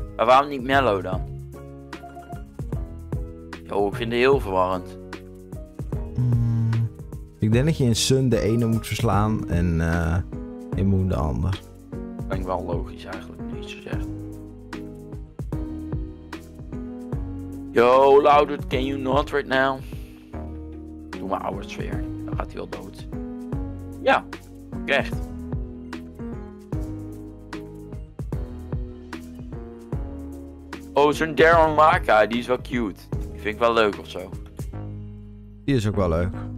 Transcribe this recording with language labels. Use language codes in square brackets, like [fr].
[nl] Maar waarom niet Mellow dan? Yo, ik vind het heel verwarrend. Ik denk dat je in Sun de ene moet verslaan en in Moon de ander. Dat klinkt wel logisch eigenlijk, niet zo zeg. [en] Yo, Loudert, can you not right now? [nl] Doe mijn oude sfeer, dan gaat hij wel dood. Ja, echt. Oh, zo'n Darren Maka, die is wel cute. Die vind ik wel leuk ofzo. Die is ook wel leuk.